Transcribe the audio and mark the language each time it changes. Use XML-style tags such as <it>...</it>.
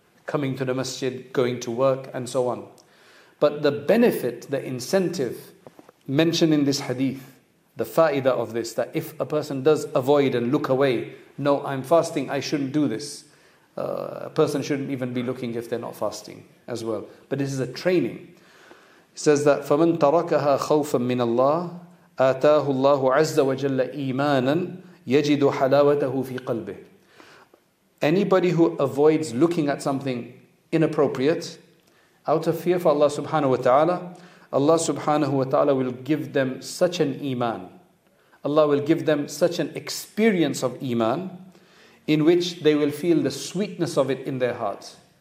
<en>Coming to the masjid, going to work, and so on. But the benefit, the incentive mentioned in this hadith, the fa'idah of this, that if a person does avoid and look away, no, I'm fasting, I shouldn't do this. A person shouldn't even be looking if they're not fasting as well. But this is a training. It says that,</en> <ar>فَمَنْ تَرَكَهَا خَوْفًا مِنَ اللَّهِ آتاه الله عز وجل إيمانا يجد حلاوته في قلبه.</ar> <en>Anybody who avoids looking at something inappropriate out of fear for Allah subhanahu wa ta'ala, Allah subhanahu wa ta'ala will give them such an iman. Allah will give them such an experience of iman in which they will feel the sweetness of it in their hearts.</en>